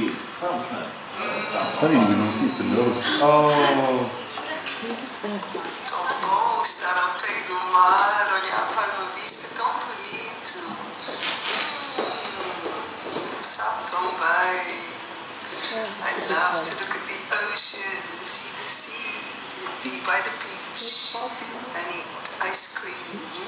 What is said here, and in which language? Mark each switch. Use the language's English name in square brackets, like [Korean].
[English] It's funny, you don't see it's a nose. Oh. [Portuguese] Estar ao pé do mar, olhar para uma vista tão bonita. Sabe tão bem. [English] I love to look at the ocean, see the sea, be by the beach, and eat ice cream.